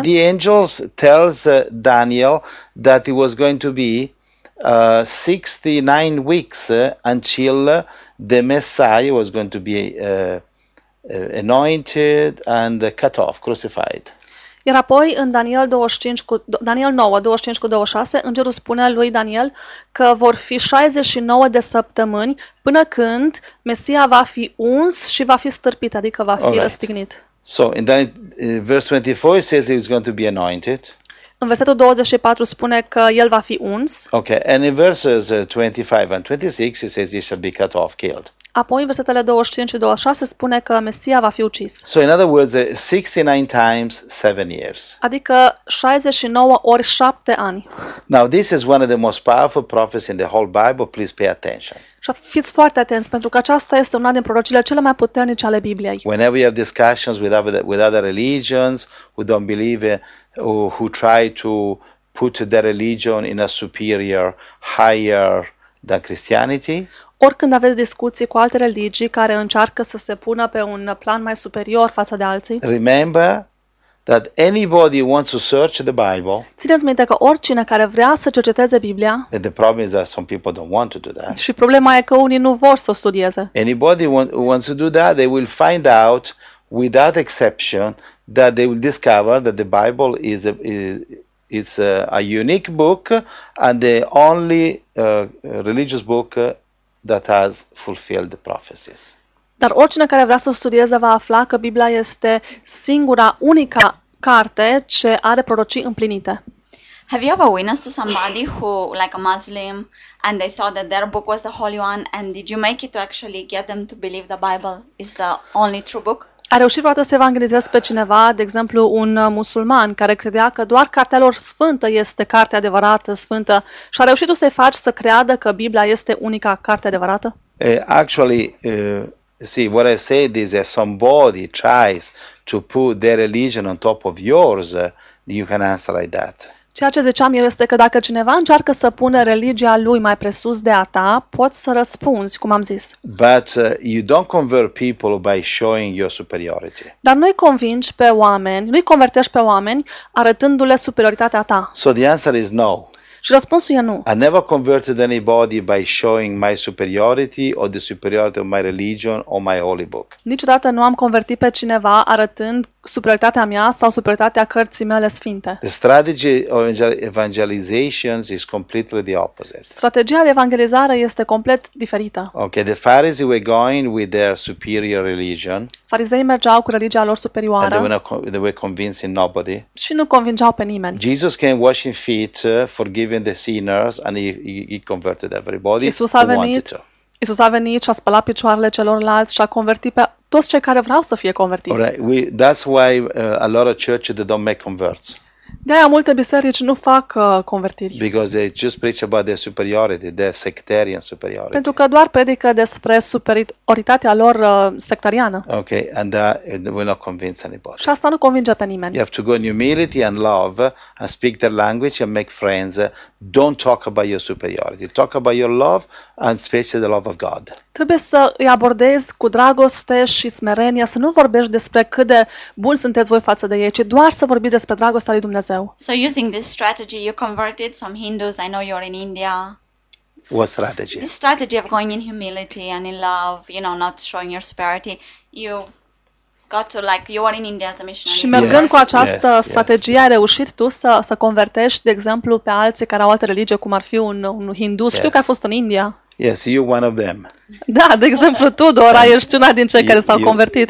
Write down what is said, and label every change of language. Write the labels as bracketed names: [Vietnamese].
[English] the angels tells Daniel that it was going to be 69 weeks until the Messiah was going to be anointed and cut off, crucified. [Romanian] Iar apoi în Daniel 9:25-26, îngerul spune lui Daniel că vor fi 69 de săptămâni până când Mesia va fi uns și va fi stârpit, adică va fi răstignit. [English] So in Daniel, verse 24 says he is going to be anointed. [Romanian] În versetul 24 spune că el va fi uns. [English] Okay, and in verses 25 and 26 it says he shall be cut off, killed. [Romanian] Apoi în versetele 25 și 26 spune că Mesia va fi ucis. [English] So in other words, 69 times 7 years. [Romanian] Adică 69 ori 7 ani. [English] Now this is one of the most powerful prophecies in the whole Bible. Please pay attention. [Romanian] Și fiți foarte atenți, pentru că aceasta este una din prorociile cele mai puternice ale Bibliei. [English] Whenever we have discussions with other religions who don't believe or who try to put their religion in a superior, higher than Christianity. [Romanian] Oricând aveți discuții cu alte religii care încearcă să se pună pe un plan mai superior față de alții, [English] remember that anybody wants to search the Bible. [Romanian] Țineți minte că oricine care vrea să cerceteze Biblia. [English] The problem is that some people don't want to do that. [Romanian] Și problema e că unii nu vor să o studieze. [English] Anybody wants to do that, they will find out without exception that they will discover that the Bible is a unique book and the only religious book that has fulfilled the prophecies. [Romanian] Dar oricine care vrea să studieze va afla că Biblia este singura, unica carte ce are prorocii împlinite. [English] Have you ever witnessed to somebody who, like a Muslim, and they thought that their book was the holy one, and did you make it to actually get them to believe the Bible is the only true book? [Romanian] A reușit vreodată să evanghelizeze pe cineva, de exemplu un musulman, care credea că doar Cartea lor Sfântă este cartea adevărată, sfântă, și a reușit să-i faci să creadă că Biblia este unica carte adevărată? [English] Actually, see, what I said is that somebody tries to put their religion on top of yours, you can answer like that. [Romanian] Ceea ce ziceam eu este că dacă cineva încearcă să pună religia lui mai presus de a ta, poți să răspunzi, cum am zis. [English] But you don't convert people by showing your superiority. [Romanian] Dar nu-i convingi pe oameni, nu-i convertești pe oameni arătându-le superioritatea ta. [English] So the answer is no. [Romanian] Și răspunsul e nu. [English] I never converted anybody by showing my superiority or the superiority of my religion or my holy book. [Romanian] Niciodată nu am convertit pe cineva arătând superioritatea mea sau superioritatea cărții mele sfinte. [English] The strategy of evangelization is completely the opposite. [Romanian] Strategia de evangelizare este complet diferită. [English] Okay, the Pharisees were going with their superior religion. [Romanian] Fariseii mergeau cu religia lor superioară. [English] And they were convincing nobody. [Romanian] Și nu convingeau pe nimeni. [English] Jesus came washing feet, forgiving the sinners, and he converted everybody [Romanian] Iisus a venit [English] who wanted to. [Romanian] Iisus a venit și a spălat picioarele celorlalți și a convertit pe toți cei care vreau să fie convertiți. [English] Right. We, that's why a lot of churches they don't make converts. [Romanian] De-aia multe biserici nu fac convertiri. [English] Because they just preach about their superiority, their sectarian superiority. [Romanian] Pentru că doar predică despre superioritatea lor sectariană. [English] Okay, and that will not convince anybody. [Romanian] Și asta nu convinge pe nimeni. [English] You have to go in humility and love and speak their language and make friends. Don't talk about your superiority. Talk about your love and especially the love of God. [Romanian] Trebuie să îi abordezi cu dragoste și smerenie, să nu vorbești despre cât de bun sunteți voi față de ei, ci doar să vorbiți despre dragostea lui Dumnezeu. [English] So using this strategy, you converted some Hindus. I know you're in India. What strategy? This strategy of going in humility and in love, you know, not showing your superiority. You got to, like, you are in India as a missionary. [Romanian] Și mergând cu această strategie, ai reușit tu să convertești, de exemplu, pe alții care au altă religie, cum ar fi un hindus. Știu că ai fost în India. [English] Yes, you one of them. [Romanian] Da, de exemplu tu, Dora, ești una din cei care s-au convertit.